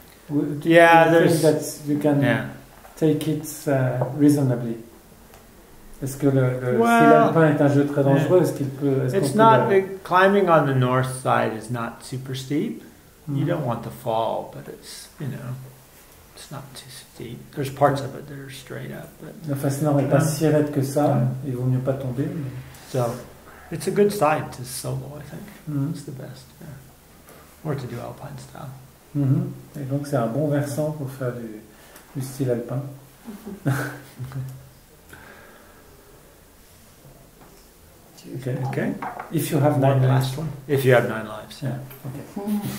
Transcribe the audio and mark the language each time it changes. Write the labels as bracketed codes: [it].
[en] Do you think that you can take it reasonably? [fr] Est-ce que le alpin est un jeu très dangereux? [en] Yeah. Climbing on the north side is not super steep. Mm-hmm. You don't want to fall, but it's not too steep. There's parts of it that are straight up. [fr] La face nord n'est pas si raide que ça. Yeah. Il vaut mieux pas tomber. Mais... [en] So, it's a good side to solo, I think. Mm-hmm. It's the best. Yeah. Or to do alpine style. Mm-hmm. [fr] Et donc c'est un bon versant pour faire du style alpin. [en] Okay. If you have nine lives. If you have nine lives, yeah. Okay.